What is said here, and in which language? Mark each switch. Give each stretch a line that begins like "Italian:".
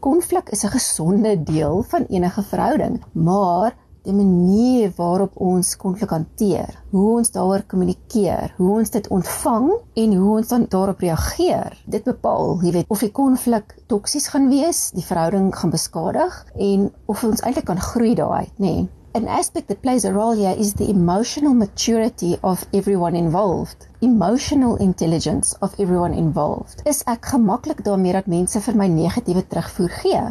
Afrikaans: Konflik is 'n gesonde deel van enige verhouding, maar die manier waarop ons konflik hanteer, hoe ons daaroor kommunikeer, hoe ons dit ontvang en hoe ons dan daarop reageer, dit bepaal, jy weet, of die konflik toksies gaan wees, die verhouding gaan beskadig en of ons eintlik kan groei daaruit, nê.
English: An aspect that plays a role here is the emotional maturity of everyone involved. Emotional intelligence of everyone involved.
Afrikaans: Is ek gemaklik daarmee dat mense vir my negatiewe terugvoer gee?